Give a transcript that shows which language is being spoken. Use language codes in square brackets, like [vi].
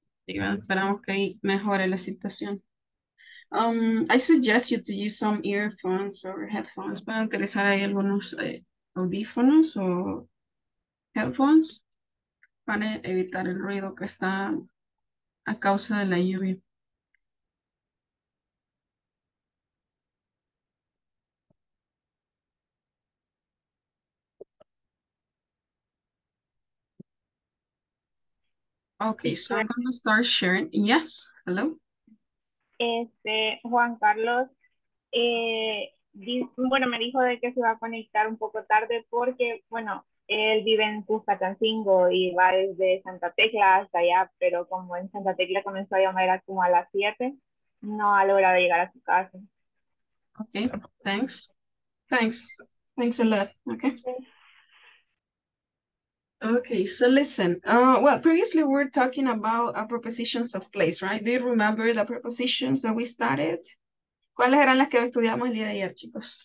[en] I suggest you to use some earphones or headphones. [es] ¿Pueden utilizar ahí algunos audífonos o headphones para evitar el ruido que está a causa de la lluvia? [en] Okay, so I'm Teacher. gonna start sharing. Yes, hello. [es] Juan Carlos, bueno, me dijo de que se va a conectar un poco tarde porque, bueno, él vive en Cuscatancingo y va desde Santa Tecla hasta allá, pero como en Santa Tecla comenzó a llamar como a las 7, no ha logrado llegar a su casa. [en] Okay, thanks. Thanks a lot. Okay. Okay, so listen. Well, previously we were talking about prepositions of place, right? Do you remember the prepositions that we started? [es] ¿Cuáles eran las que estudiamos el día de ayer, chicos?